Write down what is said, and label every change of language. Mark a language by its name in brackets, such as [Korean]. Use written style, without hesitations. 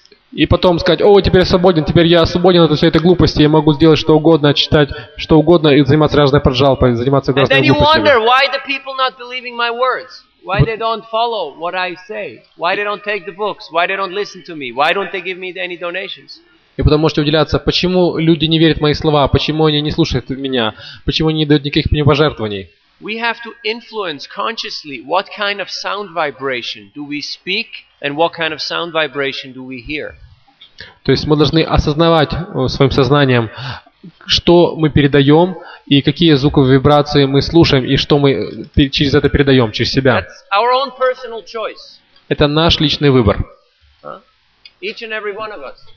[Russian] И потом сказать, о, теперь я свободен от всей этой глупости, я могу сделать что угодно, читать что угодно и заниматься разной проджалпой, заниматься разной глупостью. [English] Why they don't follow what I say? Why they don't take the books? Why they don't listen to me? Why don't they give me any donations? [Russian] И потом можете удивляться, почему люди не верят в мои слова, почему они не слушают меня, почему они не дают никаких мне пожертвований. [English] We have to influence consciously what kind of sound vibration do we speak and what kind of sound vibration do we hear. [Russian] То есть мы должны осознавать своим сознанием, что мы передаем и какие звуковые вибрации мы слушаем и что мы через это передаем, через себя. [English] That's our own personal choice. [Russian] Это наш личный выбор. [English] Each and every one of us.